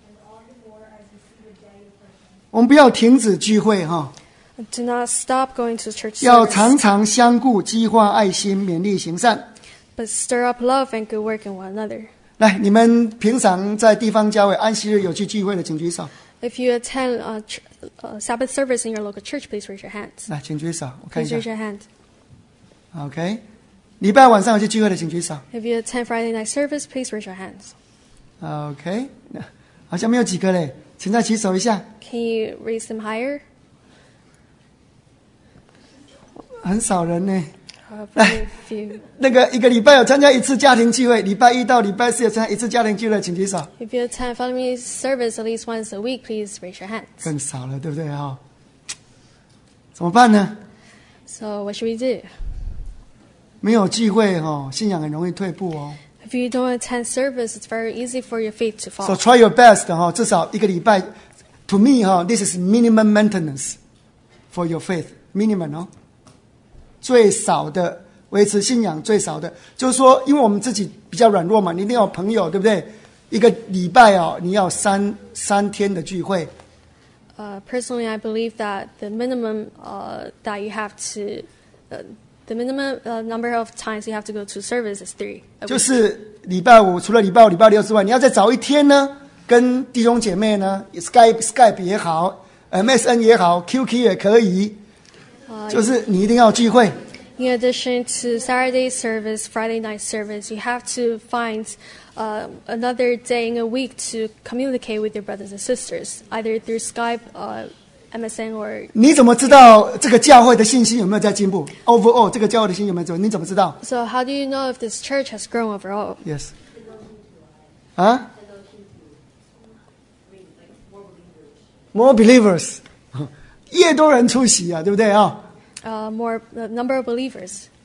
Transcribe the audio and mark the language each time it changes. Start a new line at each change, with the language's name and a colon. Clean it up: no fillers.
English: And let us consider how we may serve one another on four love and good deeds. If I was not given up to meet together, as some are in the habit of doing, but let us encourage one another, and all the more as we see the day approaching. But stir up love and good work in one another.
Chinese: 来，你们平常在地方教会安息日有去聚会的，请举手。
English: If you attend Sabbath service in your local church, please raise your hands.
Chinese: 来，请举手，我看一下。
English: Please raise your hand. Okay.
Chinese: 礼拜晚上有去聚会的，请举手。
English: If you attend Friday night service, please raise your hands.
Chinese: Okay. 好像没有几个嘞，请再举手一下。
English: Can you raise them higher?
Chinese: 很少人呢。来，那个一个礼拜有参加一次家庭聚会，礼拜一到礼拜四有参加一次家庭聚会，请举手。
English: If you attend family service at least once a week, please raise your hands.
Chinese: 更少了，对不对啊？怎么办呢
English: ？So what should we do?
Chinese: 没有聚会哦，信仰很容易退步哦。
English: If you don't attend service, it's very easy for your faith to fall. So try your best 哈，
Chinese: 至少一个礼拜。
English: To me 哈 ，this is minimum maintenance for your faith. Minimum 哦。
Chinese: 最少的维持信仰最少的就是说因为我们自己比较软弱嘛，你一定要有朋友对不对，一个礼拜哦，你要三天的聚会。
English: Personally, I believe that the minimum that you have to, the minimum number of times you have to go to service is three.
Chinese: 就是礼拜五，除了礼拜五、礼拜六之外，你要再找一天呢，跟弟兄姐妹呢 ，Skype 也好 ，MSN 也好 ，QQ 也可以。就是你一定要聚会。
English: In addition to Saturday service, Friday night service, you have to find another day in a week to communicate with your brothers and sisters, either through Skype, MSN, or.
Chinese: 你怎么知道这个教会的信心有没有在进步 ？Overall, 这个教会的信心有没有进步？你怎么知道
English: ？So how do you know if this church has grown overall? Yes. 啊 ？More believers.
Chinese: 越多人出席啊，对不对啊？
English: More number of believers.